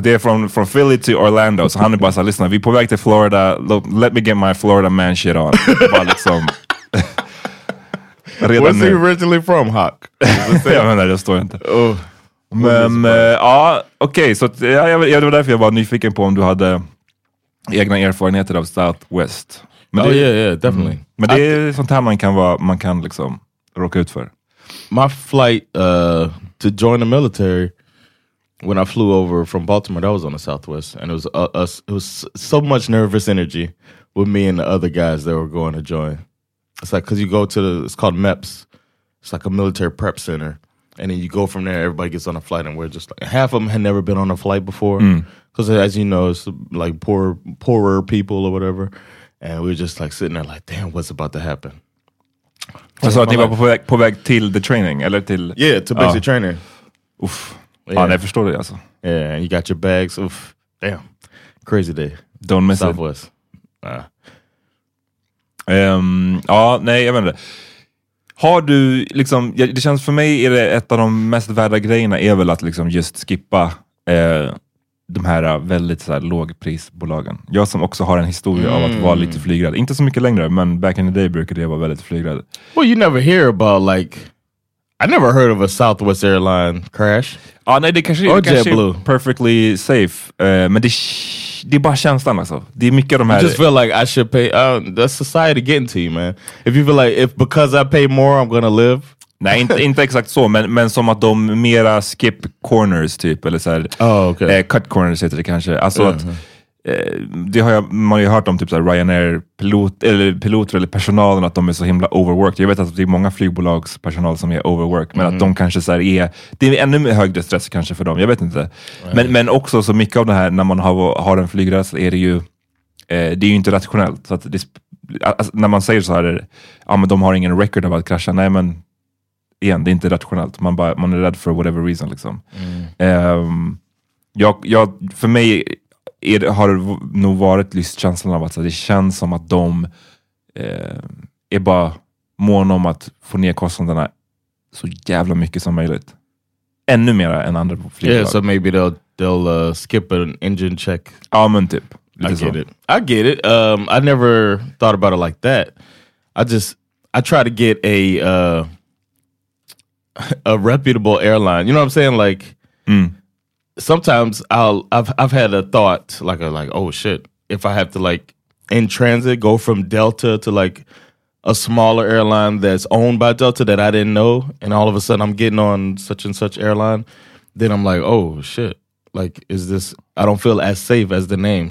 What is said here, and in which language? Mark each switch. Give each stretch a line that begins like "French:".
Swedish: Det är från Philly to Orlando. Så han är bara så här, listen, vi är på väg till Florida.
English: Let me get my Florida man shit on.
Swedish: Bara liksom. Redan nu.
English: Where's he originally from, Hawk?
Swedish: Jag menar, det står inte. Men, ja, okej. Så det var därför jag var nyfiken på om du hade... egna erfarenheter av Southwest. Men det,
English: oh yeah, yeah, definitely.
Swedish: Men det är sånt här man kan liksom råka ut för.
English: My flight to join the military when I flew over from Baltimore, that was on the Southwest, and it was so much nervous energy with me and the other guys that were going to join. It's like, because you go to the, it's called MEPS, it's like a military prep center, and then you go from there, everybody gets on a flight, and we're just like, half of them had never been on a flight before. Mm. Because as you know, it's like poorer people or whatever. And we were just like sitting there like, damn, what's about to happen?
Swedish: Så att ni var på väg till the training? Eller till...
English: Yeah, to basic training. Oof. Yeah.
Swedish: Ah, jag förstår det alltså.
English: Yeah, and you got your bags. Oof. Damn. Crazy day. Don't miss Southwest. It. Southwest.
Swedish: Ah. Nej, jag vet inte. Har du liksom... Det känns för mig är det ett av de mest värda grejerna är väl att liksom just skippa... de här väldigt så här lågprisbolagen. Jag som också har en historia av att vara lite flygrad. Inte så mycket längre, men
English: back in the day
Swedish: brukade jag vara väldigt flygrad.
English: Well, you never hear about like... I never heard of a Southwest airline crash.
Swedish: Ja, nej, det kanske är
English: perfectly safe.
Swedish: Men det är bara känslan alltså. Det är mycket av de här...
English: I just feel like I should pay... the society getting to you, man. If you feel like, if because I pay more, I'm gonna live...
Swedish: Nej, inte exakt så, men som att de mera skip corners typ, eller såhär, cut corners heter det kanske. Alltså att, det har jag, man har ju hört om typ såhär Ryanair-piloter eller personalen, att de är så himla overworked. Jag vet att det är många flygbolagspersonal som är overworked, men att de kanske såhär är, det är ännu högre stress kanske för dem, jag vet inte. Men också så mycket av det här, när man har en flygresa är det ju, det är ju inte rationellt. Så att det, alltså, när man säger så här, ja men de har ingen record av att krascha, nej men... Igen, det är inte rationellt. Man är rädd för whatever reason, liksom. Mm. Jag, för mig har det nog varit lyst känslan av att så, det känns som att de är bara måna om att få ner kostnaderna så jävla mycket som möjligt. Ännu mer än andra på flygplan.
English: Yeah, so maybe they'll skip an engine check.
Swedish: Ja, men typ.
English: I get it. I never thought about it like that. I try to get a reputable airline, you know what I'm saying? Like sometimes I've had a thought like oh shit, if I have to like in transit go from Delta to like a smaller airline that's owned by Delta that I didn't know, and all of a sudden I'm getting on such and such airline, then I'm like, oh shit, like is this, I don't feel as safe as the name.